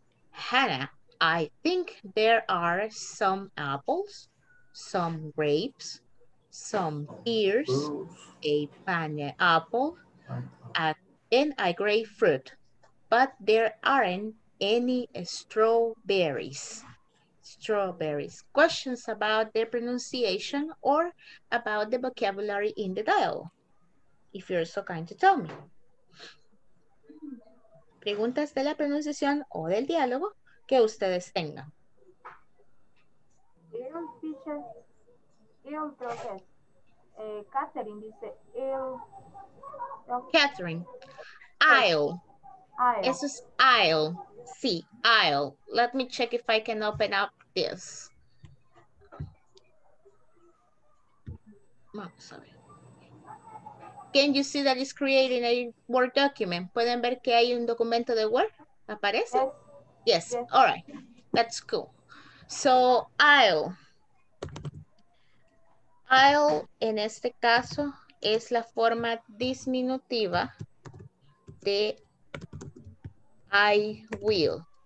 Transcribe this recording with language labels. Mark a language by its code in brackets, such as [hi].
[en] Hannah, I think there are some apples, some grapes, some pears, a pineapple, and a grapefruit, but there aren't any strawberries. Strawberries. Questions about their pronunciation or about the vocabulary in the dialogue, if you're so kind to tell me. [es] preguntas de la pronunciación o del diálogo que ustedes tengan. [en] Ill teacher, ill profess. Catherine dice ill. [es] Catherine. I'll. Eso es I'll. Sí, I'll. [en] Let me check if I can open up this. [es] Vamos a ver. [en] Can you see that it's creating a Word document? [es] ¿Pueden ver que hay un documento de Word? ¿Aparece? [en] Yes. Yes. All right. That's cool. So, I'll. [es] I'll, en este caso, es la forma disminutiva de I will.